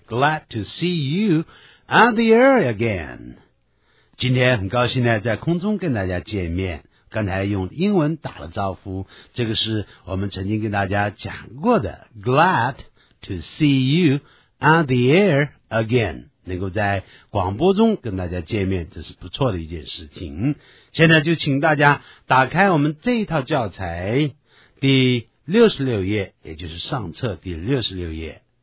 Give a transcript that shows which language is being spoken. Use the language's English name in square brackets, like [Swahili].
[English] Glad to see you on the air again. [Chinese] 今天很高兴呢，在空中跟大家见面。刚才用英文打了招呼，这个是我们曾经跟大家讲过的。 [English] Glad to see you on the air again. [Chinese] 能够在广播中跟大家见面，这是不错的一件事情。现在就请大家打开我们这一套教材第66页，也就是上册第66页。